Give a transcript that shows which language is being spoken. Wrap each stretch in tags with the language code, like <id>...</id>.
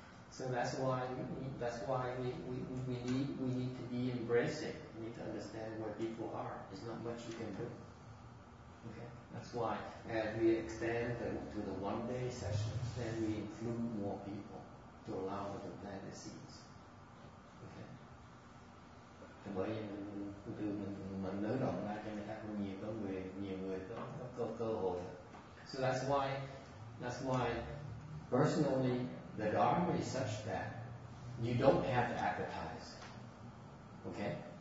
<en>So that's why we need to be embracing. We need to understand where people are. There's not much you can do. Okay, that's why as we extend to the one day session, then we include more people to allow them to plant the seeds. Okay.</en> <vi>Bởi vì mình nới rộng ra cho người ta cũng nhiều người có cơ hội.</vi> <en>So that's why personally. The Dharma is such that you don't have to advertise. Okay?</en>